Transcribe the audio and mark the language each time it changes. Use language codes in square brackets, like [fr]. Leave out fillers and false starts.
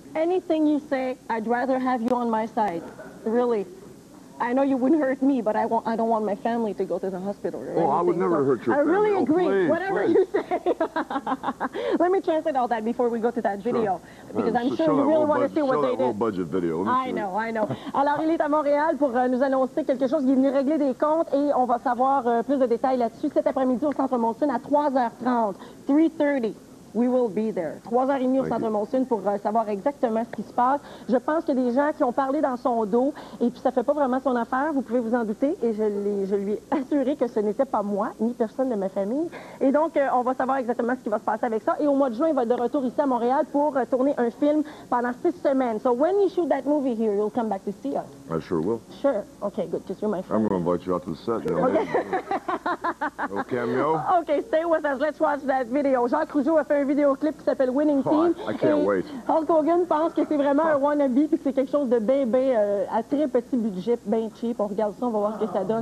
[en] Anything you say, I'd rather have you on my side. Really. I know you wouldn't hurt me, but I don't want my family to go to the hospital. I would never hurt your family. I really agree. Oh, please, whatever you say. Let me translate all that before we go to that video. Sure. Because I'm sure you really want to see what they did. Show that low-budget video. I know. [fr] Alors, il est à Montréal pour nous annoncer quelque chose. Il est venu régler des comptes et on va savoir plus de détails là-dessus cet après-midi au Centre Molson à 3h30. 3:30. [en] We will be there. [fr] 3h30 au Centre Molson pour savoir exactement ce qui se passe. Je pense qu'il y a des gens qui ont parlé dans son dos et puis ça fait pas vraiment son affaire, vous pouvez vous en douter. Et je lui ai assuré que ce n'était pas moi, ni personne de ma famille. Et donc, on va savoir exactement ce qui va se passer avec ça. Et au mois de juin, il va être de retour ici à Montréal pour tourner un film pendant 6 semaines. [en] So when you shoot that movie here, you'll come back to see us. I sure will. Sure. Okay, good, because you're my friend. I'm going to invite you out to the set. Okay. No cameo. Okay, stay with us. Let's watch that video. [fr] Jacques Rougeau a fait un vidéoclip qui s'appelle Winning Team. [en] I can't wait. [fr] Hulk Hogan pense que c'est vraiment un wannabe, puis c'est quelque chose de bien, bien, à très petit budget, bien cheap. On regarde ça, on va voir ce que ça donne.